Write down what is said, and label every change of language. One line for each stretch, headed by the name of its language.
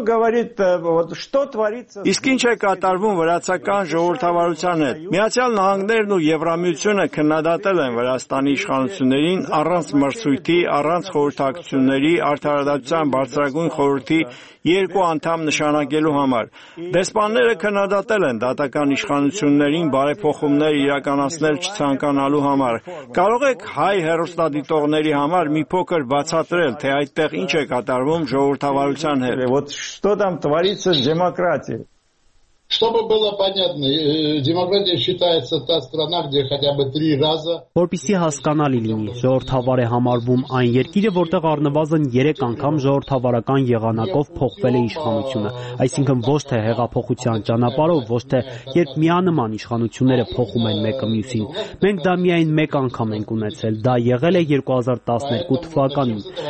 Armenian: Իսկ ինչ է կատարվում վրացական ժողովրդավարության հետ։ Միացյալ Նահանգներն ու Եվրամիությունը քննադատել են Վրաստանի իշխանություններին առանց մրցույթի, առանց խորհրդակցությունների, արդարադատության բարձրագույն խորհրդի երկու անդամ նշանակելու համար։ Դեսպանները քննադատել են դատական իշխանություններին բարեփոխումներ իրականացնել չցանկանալու համար։ Կարող եք հայ հերոստատիտողների համար մի փոքր բացատրել, թե այդտեղ ինչ է կատարվում ժողովրդավարության հետ։
Russian: Чтобы было понятно, демократия считается та страна, где хотя бы 3 раза
Armenian: Որպեսզի հասկանալի լինի, ժողովրդավար է համարվում այն երկիրը, որտեղ առնվազն 3 անգամ ժողովրդավարական եղանակով փոխվել է իշխանությունը, այսինքն ոչ թե հեղափոխության ճանապարով, ոչ թե երբ միանման իշխանությունները փոխում են մեկը մյուսին։ Մենք դա միայն 1 անգամ ենք ունեցել, դա եղել է 2012 թվականին,